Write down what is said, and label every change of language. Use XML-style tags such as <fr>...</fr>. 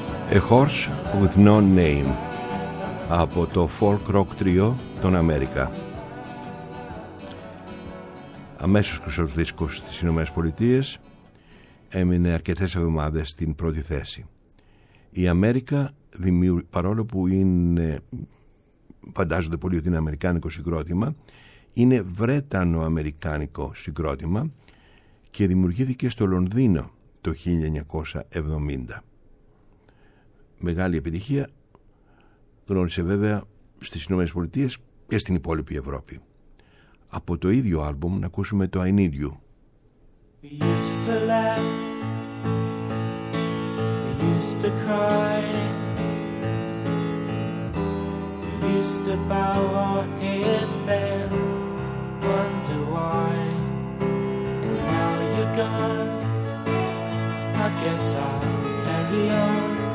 <el>A Horse With No Name από το folk rock trio των Αμέρικα. Αμέσως κρυσός δίσκος στις Ηνωμένες Πολιτείες, έμεινε αρκετές εβδομάδες στην πρώτη θέση. Η Αμέρικα, παρόλο που είναι, φαντάζονται πολύ ότι είναι αμερικάνικο συγκρότημα, είναι βρετανοαμερικάνικο συγκρότημα και δημιουργήθηκε στο Λονδίνο το 1970. Μεγάλη επιτυχία, γνώρισε βέβαια στις Ηνωμένες Πολιτείες και στην υπόλοιπη Ευρώπη. Από το ίδιο άλμπουμ να ακούσουμε το I Need You.</el> <en>We used to laugh, we used to cry, we used to bow our heads then, wonder why. And now you're gone, I guess I'll carry on.</en>